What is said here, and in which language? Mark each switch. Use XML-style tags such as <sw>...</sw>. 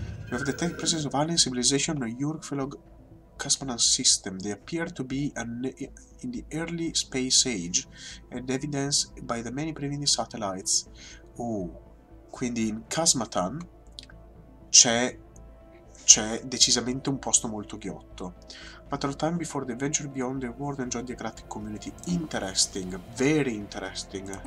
<en>We have detected presence of alien civilization on Yurkfellow Kasmanan system. They appear to be in the early space age, and evidenced by the many primitive satellites.</en> <it>Oh, quindi in Kasmatan c'è decisamente un posto molto ghiotto.</it> <en>But our time before they venture beyond the world and join the galactic community. Interesting, very interesting.</en>